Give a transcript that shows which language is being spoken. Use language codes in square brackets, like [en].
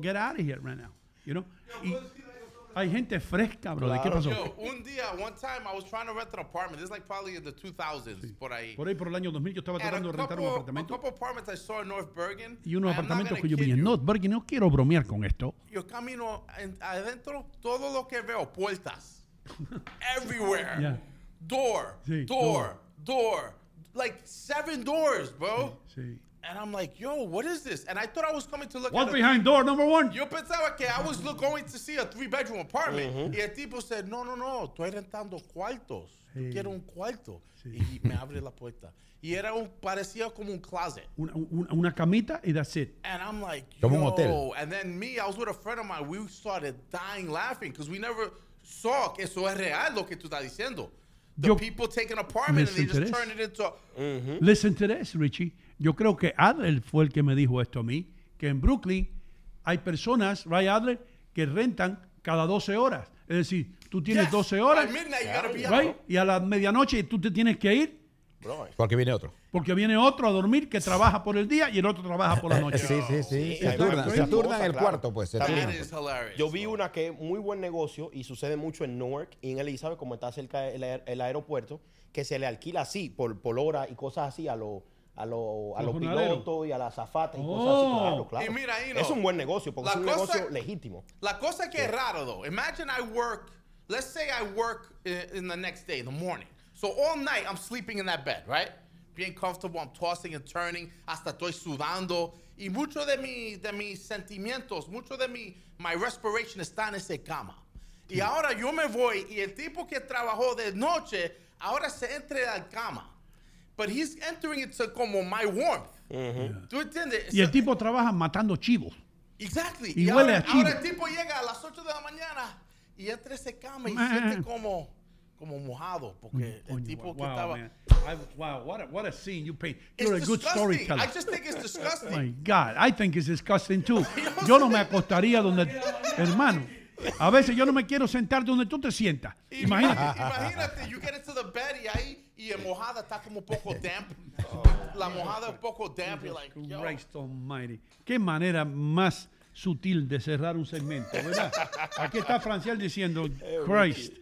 [en] Get out of here right now, you know? [es] Y hay gente fresca, brother. Claro. ¿Qué pasó? [en] Yo, one time, I was trying to rent an apartment. This is like probably in the 2000s, sí. [es] Por ahí, por el año 2000, yo estaba tratando de rentar un apartamento. [en] A couple apartments I saw in North Bergen. [es] Y unos apartamentos que yo vi en North Bergen. No quiero bromear con esto. Yo camino adentro, todo lo que veo, puertas. [en] Everywhere. Yeah. Door. Like 7 doors, bro. [es] Sí. [en] And I'm like, yo, what is this? And I thought I was coming to look what's at what's behind door number one? [es] Yo pensaba que [en] I was going to see a 3-bedroom apartment. [es] Mm-hmm. Y el tipo said, no, estoy rentando cuartos. Hey. Yo quiero un cuarto. Sí. Y me abre la puerta. Y era parecía como un closet. Una camita y [en] that's it. And I'm like, yo. [es] Un hotel. [en] And then me, I was with a friend of mine. We started dying laughing because we never saw [es] que eso es real lo que tú estás diciendo. [en] People take an apartment and they just turn it into... Mm-hmm. Listen to this, Richie. [es] Yo creo que Adler fue el que me dijo esto a mí, que en Brooklyn hay personas, Ray Adler, que rentan cada 12 horas. Es decir, tú tienes 12 horas, y a la medianoche tú te tienes que ir. Porque viene otro. Porque viene otro a dormir que trabaja por el día y el otro trabaja por la noche. Sí. Se turna en el cuarto, pues. Yo vi una que es muy buen negocio y sucede mucho en Newark y en Elizabeth, como está cerca el aeropuerto, que se le alquila así, por hora y cosas así a los pilotos y a la azafata y cosas así. Claro. Y mira, es un buen negocio, porque es un negocio legítimo. La cosa que es raro, though. [en] Imagine I work, let's say I work in the next day, the morning. So all night, I'm sleeping in that bed, right? Being comfortable, I'm tossing and turning. [es] Hasta estoy sudando. Y mucho de mis sentimientos, mucho de mi, [en] my respiration [es] está en esa cama. Sí. Y ahora yo me voy, y el tipo que trabajó de noche, ahora se entra a la cama. [en] But he's entering into como my warmth. Mm-hmm. [es] ¿Tú entiendes? Y el tipo trabaja matando chivos. [en] Exactly. [es] Y huele a chivo. Ahora el tipo llega a las 8 de la mañana y entra a esa cama y siente como mojado, porque el tipo [en] what a scene you paint. You're disgusting. A good storyteller. I just think it's disgusting. My God, I think it's disgusting too. [es] Yo no me acostaría donde, hermano. A veces yo no me quiero sentar donde tú te sientas. Imagínate. Imagínate, [en] you get into the bed [es] y ahí y la mojada está como un poco damp. La mojada es un poco damp. [en] You're like, Christ almighty. [es] Qué manera más sutil de cerrar un segmento, ¿verdad? Aquí está Franciel diciendo, Christ.